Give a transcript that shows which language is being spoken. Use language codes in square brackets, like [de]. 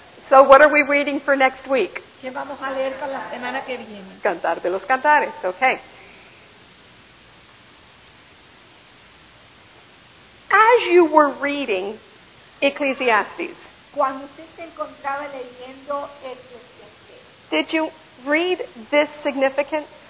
[en] So what are we reading for next week? [es] ¿Qué vamos a leer para la semana que viene? Cantar de los Cantares, okay. [en] As you were reading Ecclesiastes, [es] cuando usted se encontraba leyendo Ecclesiastes, [en] did you read this significance?